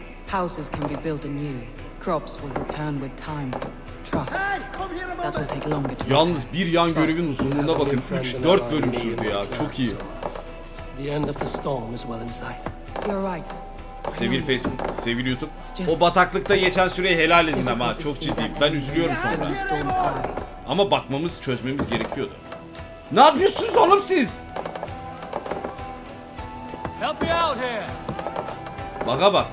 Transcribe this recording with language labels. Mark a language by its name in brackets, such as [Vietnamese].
[English] Houses can be built anew. Crops will return with time. Trust. That will take longer. [Turkish] Yalnız bir yan görevin uzunluğuna bakın. 3-4 bölüm sürdü ya. Çok iyi. [English] The end of the storm is well in sight. You're right. [Turkish] Sevgili Facebook, sevgili YouTube, o bataklıkta geçen süreyi helal edin ama çok ciddiyim. Ben üzülüyorum sana. Ama bakmamız, çözmemiz gerekiyordu. Ne yapıyorsunuz oğlum siz? [English] Help me out here. [Turkish] Baka bak.